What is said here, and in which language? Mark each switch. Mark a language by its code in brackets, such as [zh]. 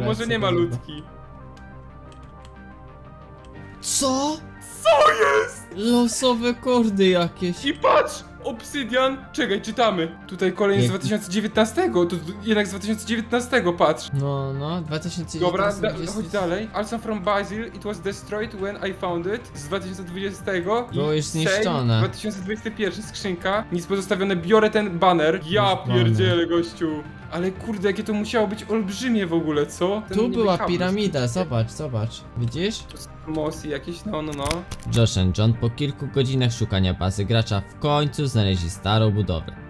[pl] no może nie malutki. Co? Co jest? Losowe kordy jakieś. I patrz, Obsidian. Czekaj, czytamy. Tutaj kolejny z 2019. To jednak z 2019, patrz. No, 2019. Dobra, chodź dalej. [en] Also from Basil, it was destroyed when I found it. [pl] Z 2020. Było już zniszczone. 2021, skrzynka. Nic pozostawione, biorę ten baner. Ja pierdzielę, gościu. Ale kurde, jakie to musiało być olbrzymie w ogóle, co? Ten tu była piramida, zobacz. Widzisz? Mosi jakieś, no. Josh and John po kilku godzinach szukania bazy gracza w końcu znaleźli starą budowę.